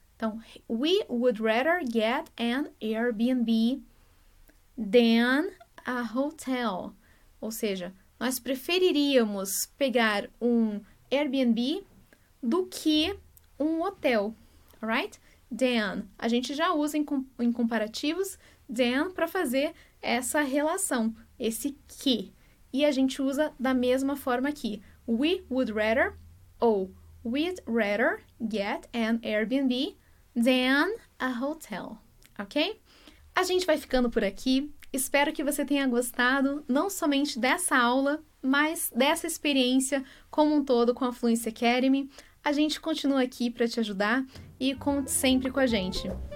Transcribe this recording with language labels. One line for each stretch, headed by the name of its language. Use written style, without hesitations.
Portuguese: Então,
English: we would rather get an Airbnb than a hotel.
Portuguese: Ou seja, nós preferiríamos pegar um Airbnb do que um hotel.
English: Alright?
Portuguese: Than. A gente já usa em comparativos than para fazer essa relação, esse que. E a gente usa da mesma forma aqui.
English: We would rather
Portuguese: ou
English: we'd rather get an Airbnb than a hotel.
Portuguese: Ok? A gente vai ficando por aqui. Espero que você tenha gostado não somente dessa aula, mas dessa experiência como um todo com a Fluency Academy. A gente continua aqui para te ajudar e conte sempre com a gente.